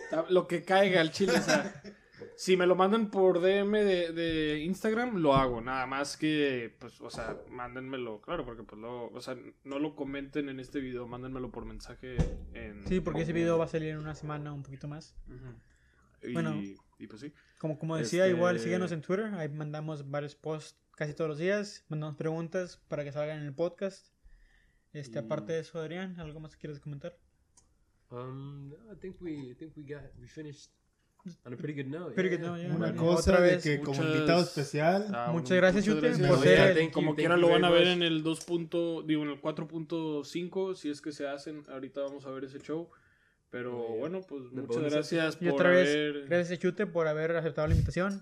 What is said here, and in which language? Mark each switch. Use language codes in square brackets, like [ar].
[es] Lo que caiga al chile, o sea, si me lo mandan por DM de Instagram, lo hago, nada más que, pues, o sea, mándenmelo, claro, porque pues luego, o sea, no lo comenten en este video, mándenmelo por mensaje en... Sí, porque ese video va a salir en una semana, un poquito más. Uh-huh. Bueno, y pues sí. Como decía, igual síguenos en Twitter, ahí mandamos varios posts casi todos los días, mandamos preguntas para que salgan en el podcast. Aparte de eso, Adrián, ¿algo más que quieres comentar? [en] I think we finished on a pretty good note. Pretty good note. [es] Una cosa otra vez, de que como invitado especial. Muchas gracias, Chute. En el 2. Digo, en el 4.5, si es que se hacen. Ahorita vamos a ver ese show. Pero bueno, pues muchas gracias por otra vez, haber. Gracias, Chute, por haber aceptado la invitación.